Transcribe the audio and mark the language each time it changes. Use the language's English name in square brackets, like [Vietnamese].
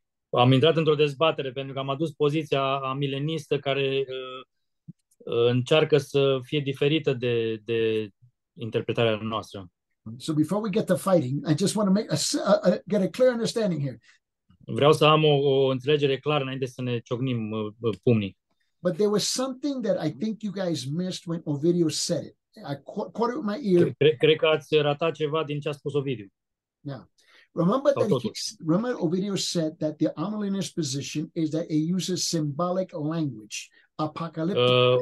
[Romanian] Am intrat într-o dezbatere pentru că am adus poziția amilenistă care încearcă să fie diferită de interpretarea noastră. [English] So before we get to fighting, I just want to make get a clear understanding here. [Romanian] Vreau să am o înțelegere clară înainte să ne ciocnim pumnii. [English] But there was something that I think you guys missed when Ovidiu said it. I caught it with my ear. [Romanian] Cred că ați ratat ceva din ce a spus Ovidiu. [English] Yeah. Remember Ovidiu said that the amillennialist position is that it uses symbolic language, apocalyptic.